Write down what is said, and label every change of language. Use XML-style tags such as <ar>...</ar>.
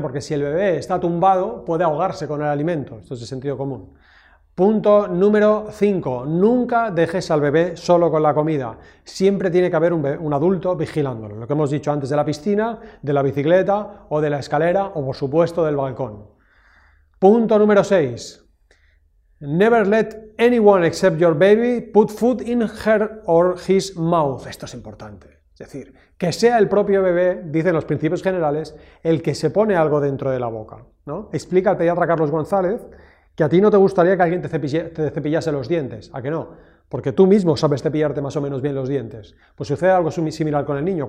<es>Porque si el bebé está tumbado puede ahogarse con el alimento. Esto es de sentido común. Punto número 5. Nunca dejes al bebé solo con la comida. Siempre tiene que haber un adulto vigilándolo. Lo que hemos dicho antes de la piscina, de la bicicleta o de la escalera o, por supuesto, del balcón. Punto número 6.</es> <en>Never let anyone except your baby put food in her or his mouth.</en> <es>Esto es importante. Es decir, que sea el propio bebé, dicen los principios generales, el que se pone algo dentro de la boca, ¿no? Explica al pediatra Carlos González que a ti no te gustaría que alguien te cepillase los dientes. ¿A que no? Porque tú mismo sabes cepillarte más o menos bien los dientes. Pues sucede algo similar con el niño.</es>